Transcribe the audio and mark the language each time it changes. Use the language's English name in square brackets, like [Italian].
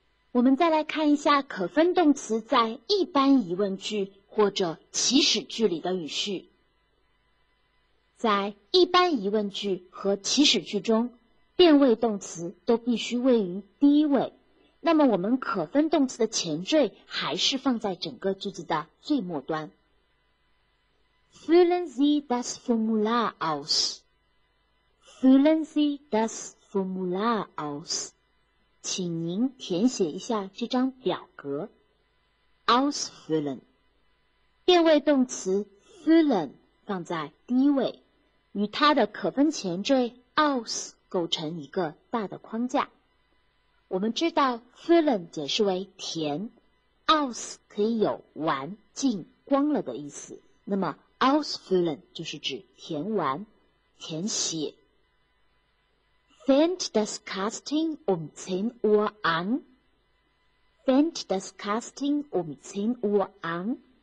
[Chinese] 我们再来看一下可分动词在一般疑问句或者祈使句里的语序。在一般疑问句和祈使句中，变位动词都必须位于第一位，那么我们可分动词的前缀还是放在整个句子的最末端。 [German] Füllen Sie das Formular aus. Füllen Sie das Formular aus. [Chinese] 请您填写一下这张表格。 [German] Ausfüllen。 [Chinese] 变位动词 füllen 放在第一位，与它的可分前缀 aus 构成一个大的框架。我们知道 füllen 解释为填， aus 可以有完、尽、光了的意思。那么 ausfüllen 就是指填完、填写。 [German] Fängt das Casting um 10 Uhr an? Fängt das Casting um 10 Uhr an?